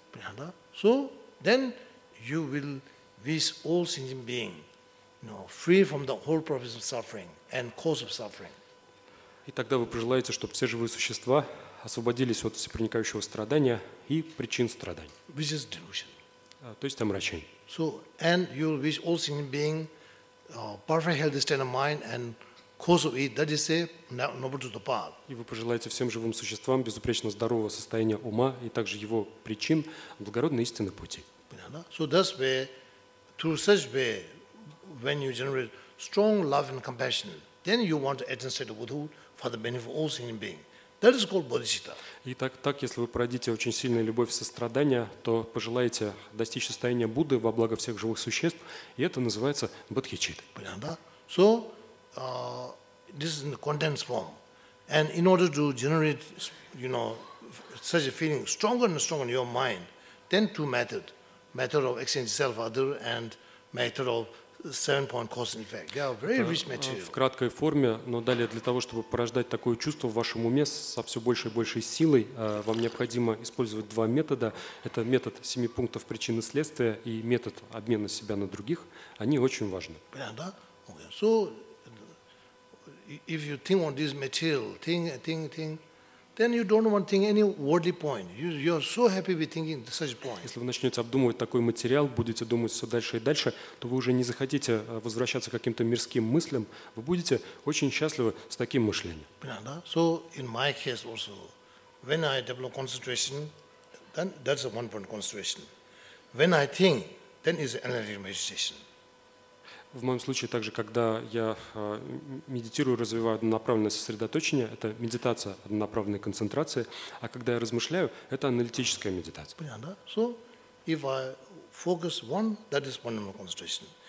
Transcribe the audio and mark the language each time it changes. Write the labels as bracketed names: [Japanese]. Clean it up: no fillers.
[Russian] Понятно? [English] So, then you will wish all sentient beings, free from the whole process of suffering and cause of suffering. [Russian] И тогда вы пожелаете, чтобы все живые существа освободились от всепроникающего страдания и причин страданий. То есть омрачение. И вы пожелаете всем живым существам безупречно здорового состояния ума и также его причин благородной истины пути. [English] So that's way, through such way, when you generate strong love and compassion, then you want to attain state of Buddhahood for the benefit of all sentient beings. That is called bodhicitta. [Russian] И так, если вы породите очень сильную любовь и сострадание, то пожелаете достичь состояния Будды во благо всех живых существ, и это называется бодхичитта. Понятно? [English] So, this is in the condensed form. And in order to generate, such a feeling stronger and stronger in your mind, then two methods. Method of exchange self other and method of seven-point cause and effect. They are very rich material. [Russian] В краткой форме, но далее для того, чтобы порождать такое чувство в вашем уме со все большей и большей силой, вам необходимо использовать два метода. Это метод семи пунктов причины следствия и метод обмена себя на других. Они очень важны. Да? Okay. [English] So, if you think on this material, think, then you don't want to think any worldly point. You are so happy with thinking such point. [Russian] Если вы начнете обдумывать такой материал, будете думать все дальше и дальше, то вы уже не захотите возвращаться к каким-то мирским мыслям. Вы будете очень счастливы с таким мышлением. Понятно? [English] So in my case also, when I develop concentration, then that's a one-point concentration. When I think, then is analytic meditation. [Russian] В моем случае также, когда я медитирую, развиваю однонаправленное сосредоточение, это медитация однонаправленной концентрации, а когда я размышляю, это аналитическая медитация. Понятно? [English] So, if I focus one, that is one-on-one concentration.